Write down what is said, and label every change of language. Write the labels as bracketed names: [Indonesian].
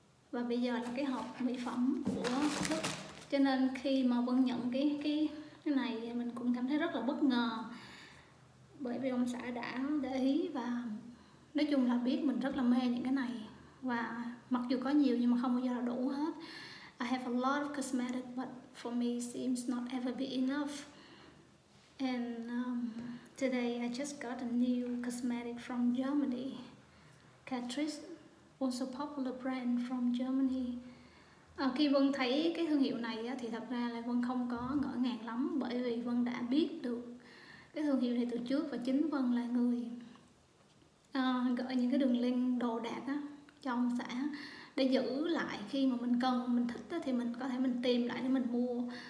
[Vietnamese] Và bây giờ là cái hộp mỹ phẩm của Đức. Cho nên khi mà Vân nhận cái này mình cũng cảm thấy rất là bất ngờ. Bởi vì ông xã đã để ý và nói chung là biết mình rất là mê những cái này. Và mặc dù có nhiều nhưng mà không bao giờ là đủ hết. [English] I have a lot of cosmetic but for me seems not ever be enough. And today I just got a new cosmetic from Germany. Catrice, also popular brand from Germany. [Vietnamese] Khi Vân thấy cái thương hiệu này á, thì thật ra là Vân không có ngỡ ngàng lắm, bởi vì Vân đã biết được cái thương hiệu này từ trước và chính Vân là người gửi những cái đường link đồ đạc á, cho ông xã để giữ lại khi mà mình cần, mình thích á, thì mình có thể mình tìm lại để mình mua.